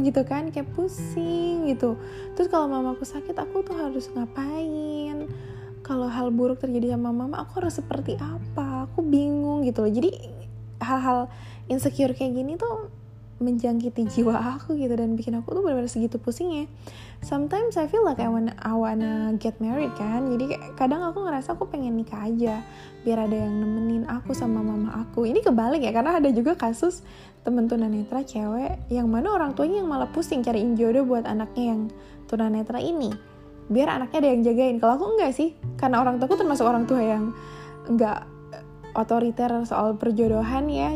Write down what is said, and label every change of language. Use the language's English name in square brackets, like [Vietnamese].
[Indonesian] Gitu kan kayak pusing gitu. Terus kalau mamaku sakit, aku tuh harus ngapain? Kalau hal buruk terjadi sama mama, aku harus seperti apa? Aku bingung gitu loh. Jadi hal-hal insecure kayak gini tuh menjangkiti jiwa aku gitu, dan bikin aku tuh benar-benar segitu pusingnya. [English] Sometimes I feel like I wanna get married [Indonesian] kan. Jadi kadang aku ngerasa aku pengen nikah aja biar ada yang nemenin aku sama mama aku. Ini kebalik ya, karena ada juga kasus temen tunanetra cewek yang mana orang tuanya yang malah pusing cariin jodoh buat anaknya yang tunanetra ini biar anaknya ada yang jagain. Kalau aku enggak sih, karena orang tuaku termasuk orang tua yang enggak otoriter soal perjodohan ya.